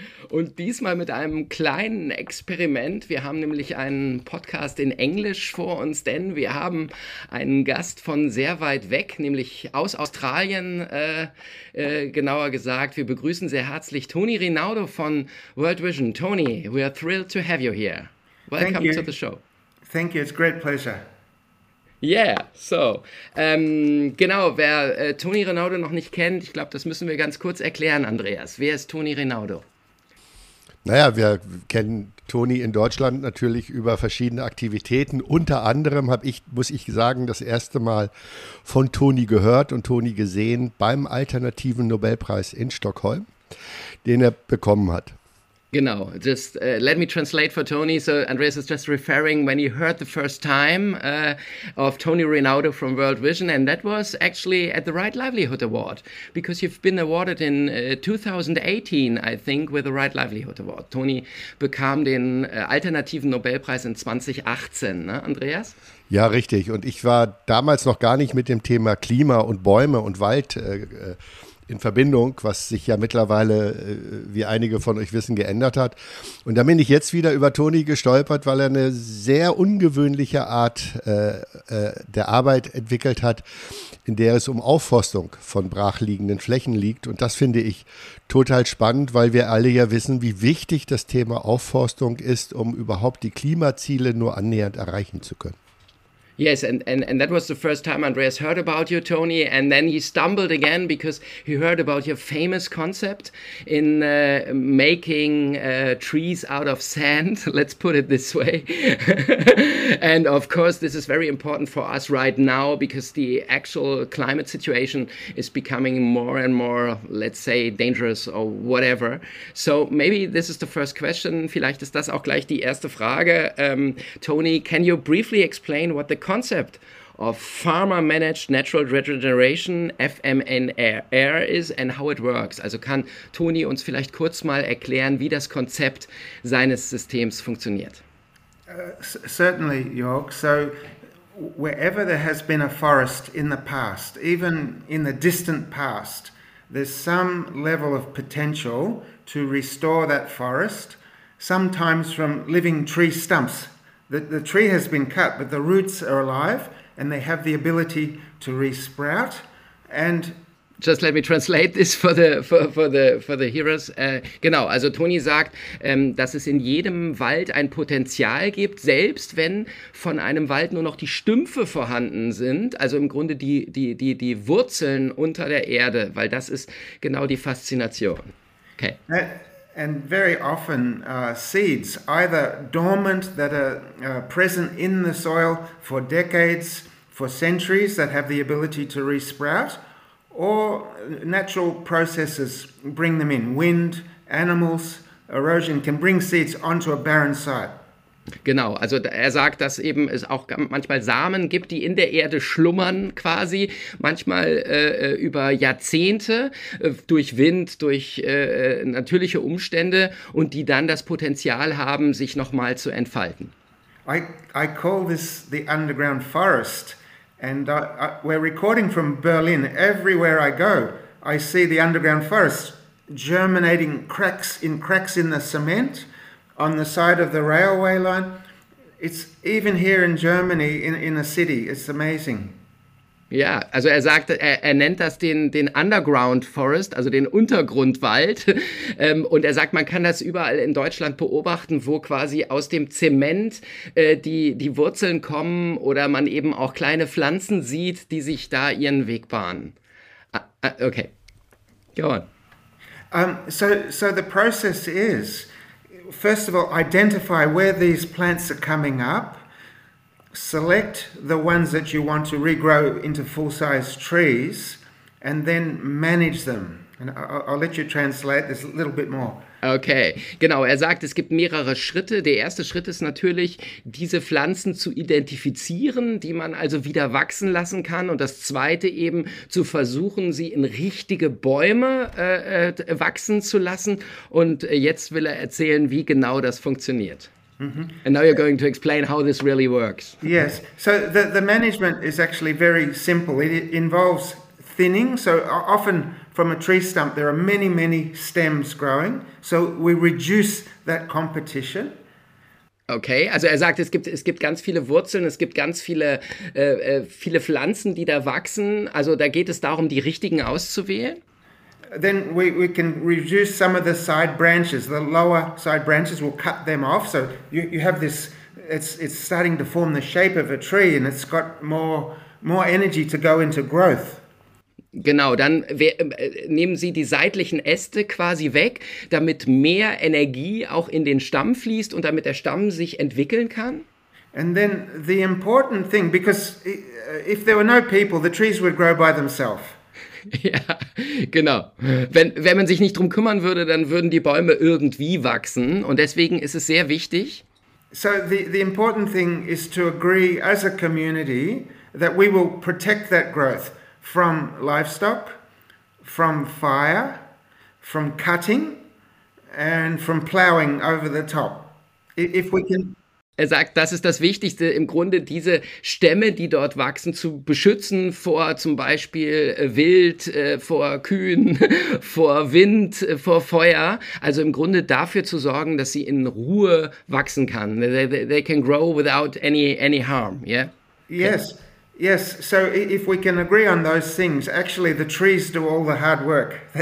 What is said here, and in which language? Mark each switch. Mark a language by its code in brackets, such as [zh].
[de] Und diesmal mit einem kleinen Experiment. Wir haben nämlich einen Podcast in Englisch vor uns, denn wir haben einen Gast von sehr weit weg, nämlich aus Australien, genauer gesagt. Wir begrüßen sehr herzlich Tony Rinaudo von World Vision. [en] Tony, we are thrilled to have you here. Welcome to the show. Thank you, it's a great pleasure. [de] Yeah, so, wer Tony Rinaudo noch nicht kennt, ich glaube, das müssen wir ganz kurz erklären, Andreas. Wer ist Tony Rinaudo? Naja, wir kennen Tony in Deutschland natürlich über verschiedene Aktivitäten. Unter anderem muss ich sagen, das erste Mal von Tony gehört und Tony gesehen beim Alternativen Nobelpreis in Stockholm, den er bekommen hat. [en] Genau, just let me translate for Tony. So Andreas is just referring when he heard the first time of Tony Rinaudo from World Vision, and that was actually at the Right Livelihood Award, because you've been awarded in 2018, I think, with the Right Livelihood Award. [de] Tony bekam den alternativen Nobelpreis in 2018, ne, Andreas? Ja, richtig. Und ich war damals noch gar nicht mit dem Thema Klima und Bäume und Wald in Verbindung, was sich ja mittlerweile, wie einige von euch wissen, geändert hat. Und da bin ich jetzt wieder über Tony gestolpert, weil er eine sehr ungewöhnliche Art der Arbeit entwickelt hat, in der es um Aufforstung von brachliegenden Flächen liegt. Und das finde ich total spannend, weil wir alle ja wissen, wie wichtig das Thema Aufforstung ist, um überhaupt die Klimaziele nur annähernd erreichen zu können. [en] Yes, and that was the first time Andreas heard about you, Tony, and then he stumbled again because he heard about your famous concept in making trees out of sand, let's put it this way. And of course, this is very important for us right now because the actual climate situation is becoming more and more, let's say, dangerous or whatever. So maybe this is the first question, [de] vielleicht ist das auch gleich die erste Frage. [en] Tony, can you briefly explain what the concept of farmer-managed natural regeneration, FMNR, is and how it works. [de] Also kann Tony uns vielleicht kurz mal erklären, wie das Konzept seines Systems funktioniert? [en] Certainly, Jörg. So wherever there has been a forest in the past, even in the distant past, there's some level of potential to restore that forest, sometimes from living tree stumps. The tree has been cut, but the roots are alive and they have the ability to re-sprout. And just let me translate this for the hearers. [de] Genau, also Tony sagt, dass es in jedem Wald ein Potenzial gibt, selbst wenn von einem Wald nur noch die Stümpfe vorhanden sind, also im Grunde die Wurzeln unter der Erde, weil das ist genau die Faszination. [en] Okay. And very often seeds, either dormant that are present in the soil for decades, for centuries, that have the ability to re-sprout, or natural processes bring them in. Wind, animals, erosion can bring seeds onto a barren site. [de] Genau, also er sagt, dass eben es auch manchmal Samen gibt, die in der Erde schlummern quasi, manchmal über Jahrzehnte durch Wind, durch natürliche Umstände und die dann das Potenzial haben, sich nochmal zu entfalten. [en] I call this the underground forest and we're recording from Berlin. Everywhere I go, I see the underground forest germinating cracks in the cement. On the side of the railway line, it's even here in Germany, in a city, it's amazing. [de] Ja, also er sagt, er nennt das den Underground Forest, also den Untergrundwald. Und er sagt, man kann das überall in Deutschland beobachten, wo quasi aus dem Zement die Wurzeln kommen oder man eben auch kleine Pflanzen sieht, die sich da ihren Weg bahnen. [en] Okay, go on. So the process is, first of all, identify where these plants are coming up. Select the ones that you want to regrow into full-size trees and then manage them. And I'll let you translate this a little bit more. [de] Okay, genau. Er sagt, es gibt mehrere Schritte. Der erste Schritt ist natürlich, diese Pflanzen zu identifizieren, die man also wieder wachsen lassen kann. Und das zweite eben, zu versuchen, sie in richtige Bäume wachsen zu lassen. Und jetzt will er erzählen, wie genau das funktioniert. [en] Mm-hmm. And now you're going to explain how this really works. Yes, so the management is actually very simple. It involves thinning, so often from a tree stump there are many, many stems growing, so we reduce that competition. [de] Okay, also er sagt, es gibt ganz viele Wurzeln, es gibt ganz viele viele Pflanzen, die da wachsen, also da geht es darum, die richtigen auszuwählen. [en] Then we can reduce some of the side branches, the lower side branches, we'll cut them off. So you have this, it's starting to form the shape of a tree and it's got more energy to go into growth. [de] Genau, dann nehmen Sie die seitlichen Äste quasi weg, damit mehr Energie auch in den Stamm fließt und damit der Stamm sich entwickeln kann. [en] And then the important thing, because if there were no people, the trees would grow by themselves. [de] Ja, genau. Wenn man sich nicht drum kümmern würde, dann würden die Bäume irgendwie wachsen. Und deswegen ist es sehr wichtig. [en] So the important thing is to agree as a community that we will protect that growth from livestock, from fire, from cutting and from plowing over the top. If we can. [de] Er sagt, das ist das Wichtigste, im Grunde diese Stämme, die dort wachsen, zu beschützen vor zum Beispiel Wild, vor Kühen, vor Wind, vor Feuer. Also im Grunde dafür zu sorgen, dass sie in Ruhe wachsen kann. [en] They can grow without any harm, yeah? Yes, okay. Yes. So if we can agree on those things, actually the trees do all the hard work.